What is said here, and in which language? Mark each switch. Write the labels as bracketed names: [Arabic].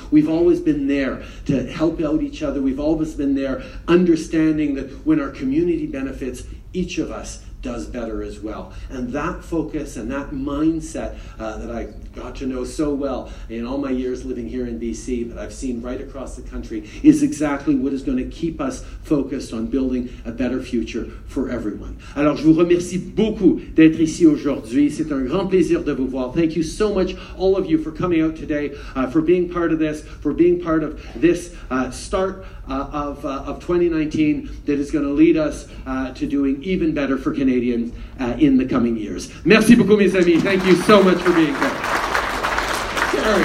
[English] We've always been there to help out each other. We've always been there understanding that when our community benefits, each of us does better as well. And that focus and that mindset that I got to know so well in all my years living here in BC, that I've seen right across the country, is exactly what is going to keep us focused on building a better future for everyone. [French] Alors, je vous remercie beaucoup d'être ici aujourd'hui. C'est un grand plaisir de vous voir. [English] Thank you so much, all of you, for coming out today, for being part of this, for being part of this start of 2019 that is going to lead us to doing even better for Canadians in the coming years. [French] Merci beaucoup, mes amis. [English] Thank you so much for being here. Terry.